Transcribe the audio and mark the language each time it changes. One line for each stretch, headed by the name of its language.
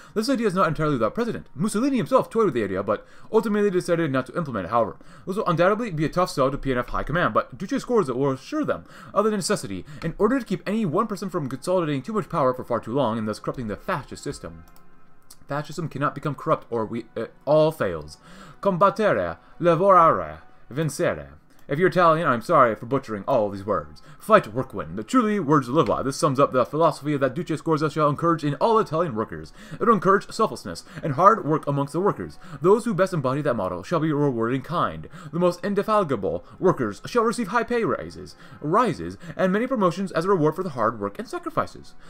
English: This idea is not entirely without precedent. Mussolini himself toyed with the idea, but ultimately decided not to implement it. However, this will undoubtedly be a tough sell to PNF High Command, but Duce Scorza will assure them of the necessity in order to keep any one person from consolidating too much power for far too long and thus corrupting the fascist system. Fascism cannot become corrupt or all fails.
Italian: Combattere, lavorare, vincere.
English: If you're Italian, I'm sorry for butchering all these words. Fight, work, win. The truly words to live by. This sums up the philosophy that Duce Scorza shall encourage in all Italian workers. It'll encourage selflessness and hard work amongst the workers. Those who best embody that model shall be rewarded in kind. The most indefatigable workers shall receive high pay rises, and many promotions as a reward for the hard work and sacrifices.